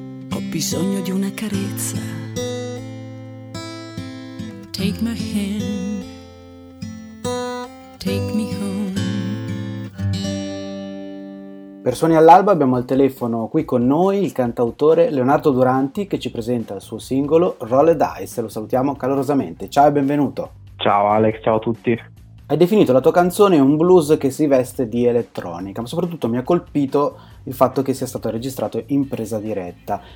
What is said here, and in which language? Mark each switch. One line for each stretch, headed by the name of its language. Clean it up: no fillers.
Italian: Ho bisogno di una carezza.
English: Take my hand, take me home.
Italian: Per Suoni all'Alba abbiamo al telefono qui con noi il cantautore Leonardo Duranti, che ci presenta il suo singolo Rolled Eyes. Lo salutiamo calorosamente. Ciao e benvenuto. Ciao Alex, ciao a tutti. Hai definito la tua canzone un blues che si veste di elettronica, ma soprattutto mi ha colpito il fatto che sia stato registrato in presa diretta.